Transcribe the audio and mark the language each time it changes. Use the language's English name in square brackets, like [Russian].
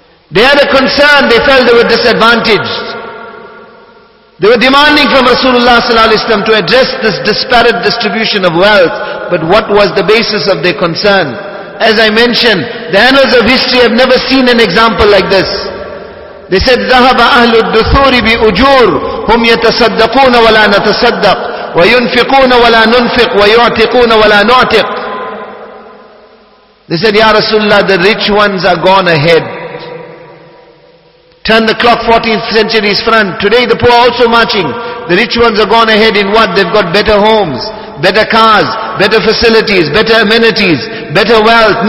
[English] They had a concern, they felt they were disadvantaged. They were demanding from Rasulullah sallallahu alaihi wasallam to address this disparate distribution of wealth. But what was the basis of their concern? As I mentioned, the annals of history have never seen an example like this. They said, [Arabic] ذَهَبَ أَهْلُ الدُّثُورِ بِأُجُورِ هُمْ يَتَصَدَّقُونَ وَلَا نَتَصَدَّقُ وَيُنْفِقُونَ وَلَا نُنْفِقُ وَيُعْتِقُونَ وَلَا نُعْتِقُ. [English] They said, Ya Rasulullah, the rich ones are gone ahead. Turn the clock 14th century's front. Today the poor are also marching. The rich ones are gone ahead in what? They've got better homes, better cars, better facilities, better amenities, better wealth.